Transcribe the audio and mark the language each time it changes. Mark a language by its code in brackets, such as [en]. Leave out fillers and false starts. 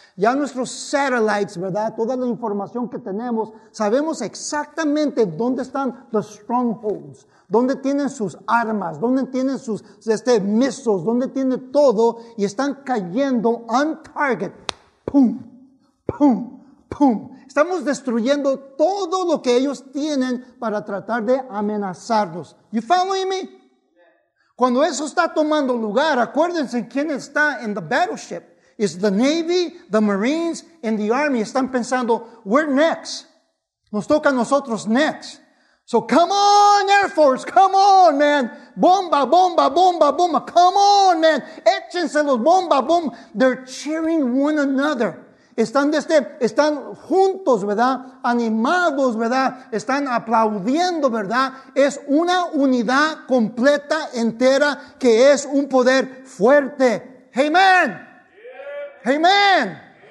[es] Ya nuestros satellites, ¿verdad?, toda la información que tenemos, sabemos exactamente dónde están [en] the strongholds, [es] dónde tienen sus armas, dónde tienen sus misiles, dónde tienen todo, y están cayendo [en] on target. [es] ¡Pum! ¡Pum! ¡Pum! Estamos destruyendo todo lo que ellos tienen para tratar de amenazarlos. [en] You following me? [es] Cuando eso está tomando lugar, acuérdense quién está en [en] the battleship. It's the Navy, the Marines, and the Army. [es] Están pensando, [en] we're next. [es] Nos toca a nosotros next. [en] So come on, Air Force, come on, man. [es] Bomba, bomba, bomba, bomba. [en] Come on, man. [es] Échenselos, bomba, bomba. [en] They're cheering one another. [es] Están están juntos, ¿verdad? Animados, ¿verdad? Están aplaudiendo, ¿verdad? Es una unidad completa, entera, que es un poder fuerte. ¡Amen! ¡Amen!